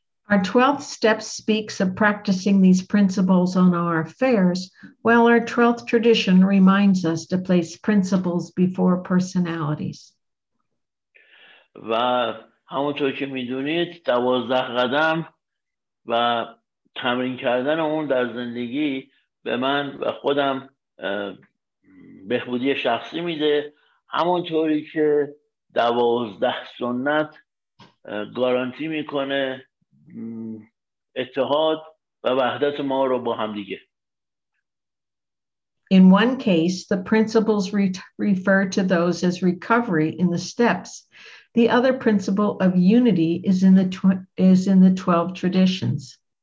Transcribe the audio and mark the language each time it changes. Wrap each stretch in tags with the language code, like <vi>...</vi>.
<en>Our 12th step speaks of practicing these principles on our affairs, while our 12th tradition reminds us to place principles before personalities.</en> <fa>و همونطور که میدونید 12 قدم و تمرین کردن اون در زندگی به من و خودم بهبودی شخصی میده، همونطوری که 12 سنت گارانتی میکنه اتحاد و وحدت ما رو با هم دیگه.</fa> <en>In one case, the principles refer to those as recovery in the steps, The other principle of unity is in the is in the 12 traditions.</en>